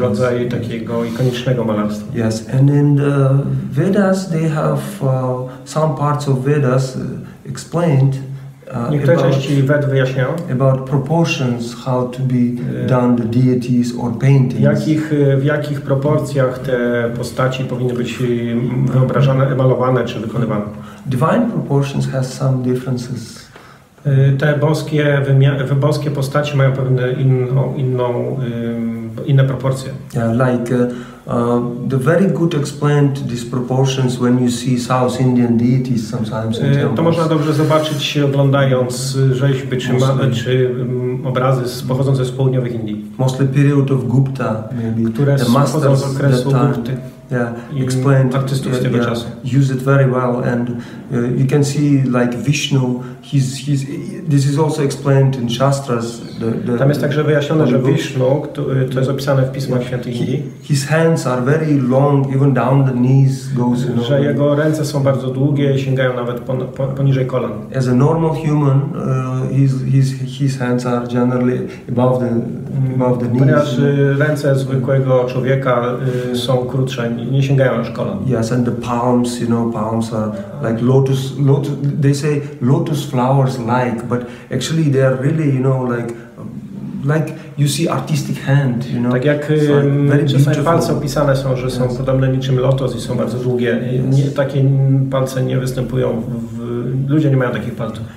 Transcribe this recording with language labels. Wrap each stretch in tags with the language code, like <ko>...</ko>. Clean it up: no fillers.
<pl>Rodzaj takiego ikonicznego malarstwa.</pl> <en>Yes. And in the Vedas, they have some parts of Vedas explained.</en> <pl>Niektóre części Ved wyjaśniają</pl> <en>about proportions, how to be done the deities or paintings.</en> <pl>W jakich proporcjach te postaci powinny być wyobrażane, emalowane czy wykonywane.</pl> <en>Divine proportions has some differences.</en> <pl>Te boskie postaci mają pewne inną inne proporcje.</pl> <en>Yeah, like the very good explained disproportions when you see South Indian deities sometimes.</en> <pl>To można dobrze zobaczyć oglądając rzeźby czy obrazy pochodzące z południowych Indii.</pl> <en>Mostly period of Gupta, maybe.</en> <pl>Które</pl> <en>the</en> <pl>pochodzą z okresu Gupty.</pl> <en>Yeah, explained. Use it very well, and you can see like Vishnu. He's. This is also explained in Shastras.</en> <pl>Tam jest także wyjaśnione, że Vishnu, to jest opisane w pismach świętych Indii.</pl> <en>His hands are very long, even down the knees goes.</en> <pl>Że jego ręce są bardzo długie, sięgają nawet poniżej kolan.</pl> <en>As a normal human, his hands are generally above the knees.</en> <pl>Ponieważ ręce zwykłego człowieka są krótsze. Nie sięgają aż kolan.</pl> <en>Yes, and the palms, you know, palms are like lotus. Lotus, they say lotus flowers like, but actually they are really, you know, like you see artistic hand, you know.</en> <pl>Tak jak czasami palce opisane są, że są podobne niczym lotos i są bardzo długie. Nie, takie palce nie występują. Ludzie nie mają takich palców.</pl>